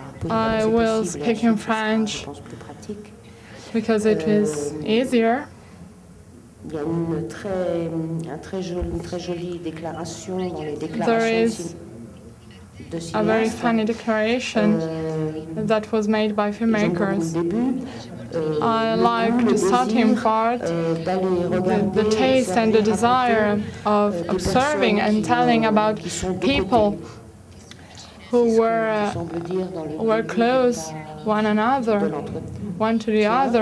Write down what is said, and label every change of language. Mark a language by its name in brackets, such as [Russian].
[English] I will speak in French because it is easier. [French] Il y a une très jolie déclaration dans les déclarations de [English] cinéma. A very funny declaration that was made by filmmakers. I like the starting part, the taste and the desire of observing and telling about people who were close one another, one to the other.